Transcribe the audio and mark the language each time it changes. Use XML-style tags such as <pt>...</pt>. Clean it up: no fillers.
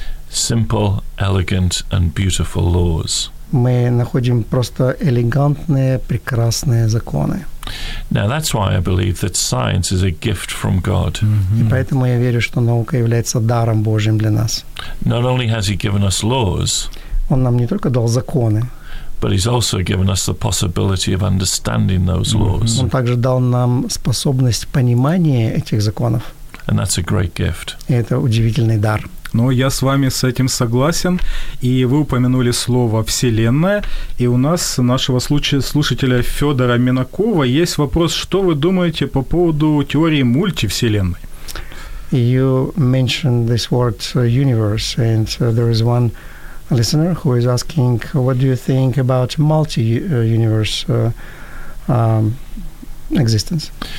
<en>Simple, elegant, and beautiful laws.</en> <ru>Мы находим просто элегантные, прекрасные законы.</ru> <en>Now that's why I believe that science is a gift from God.</en> <ru>Mm-hmm. И поэтому я верю, что наука является даром Божьим для нас.</ru> <en>Not only has he given us laws,</en> <ru>он нам не только дал законы,</ru> <en>but he's also given us the possibility of understanding those laws.</en> <ru>Mm-hmm. Он также дал нам способность понимания этих законов.</ru> <en>And that's a great gift.</en> <ru>И это удивительный дар. Но я с вами с этим согласен, и вы упомянули слово «вселенная», и у нас, нашего слушателя Фёдора Минакова, есть вопрос, что вы думаете по поводу теории мультивселенной?</ru> <en>You mentioned this word «universe», and there is one listener who is asking, what do you think about multi-universe existence?</en>